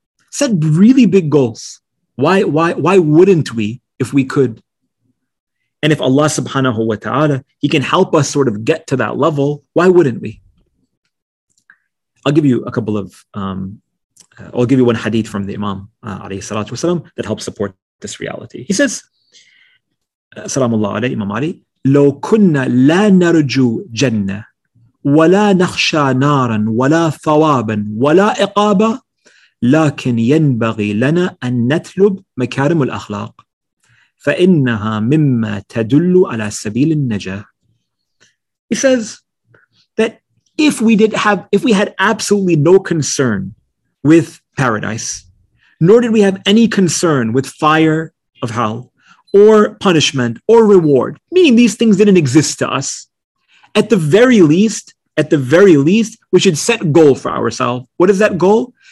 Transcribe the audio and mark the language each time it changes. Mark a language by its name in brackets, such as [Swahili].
[English] Set really big goals. Why wouldn't we if we could? And if Allah subhanahu wa ta'ala, He can help us sort of get to that level, why wouldn't we? I'll give you a couple of, I'll give you one hadith from the Imam alayhi salatu wasalam that helps support this reality. He says, [Arabic] salamullah alayhi, Imam Ali, لو كنا لا نرجو جنة ولا نخشى نارا ولا ثوابا ولا عقابا لكن ينبغي لنا أن نطلب مكارم الأخلاق فَإِنَّهَا مِمَّا تَدُلُّ عَلَى سَبِيلِ النَّجَاةِ. [English] He says that if we had absolutely no concern with paradise, nor did we have any concern with fire of hell or punishment or reward, meaning these things didn't exist to us, at the very least, we should set a goal for ourselves. What is that goal?